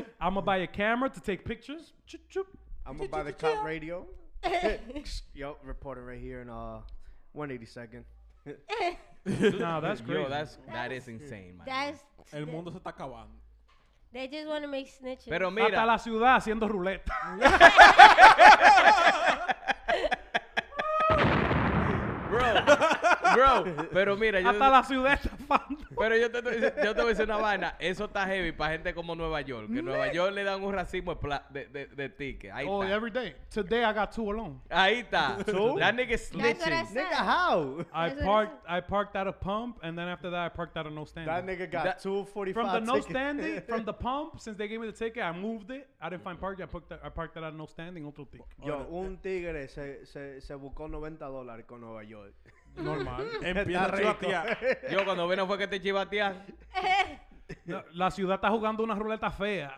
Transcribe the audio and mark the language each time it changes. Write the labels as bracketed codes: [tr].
[en] I'm gonna buy a camera to take pictures. I'm gonna buy the cop radio. Yo, reporting right here in 182nd. No, that's crazy. Yo, that is insane, man. That's [es] el mundo se está acabando. [en] They just want to make snitches. [es] Pero mira, hasta la ciudad haciendo ruleta. Bro, pero mira, hasta la ciudad está fando. Pero yo te voy a decir una vaina. Eso está heavy para gente como Nueva York. Que Nueva York le dan un racimo de ticket. Ahí [en] oh, [es] está. [en] Every day. Today I got two alone. [es] Ahí está. [en] Two? That nigga snitching. Nigga, how? I parked at a pump, and then after that, I parked at a no standing. That nigga got $2.45 from the ticket. No standing, from the pump, since they gave me the ticket, I moved it. I didn't find parking. I parked at a no standing, [es] otro ticket. Yo, un tigre se buscó $90 con Nueva York. Normal. Empieza a chivatear. Yo cuando vino fue que te chivatean. La ciudad está jugando una ruleta fea.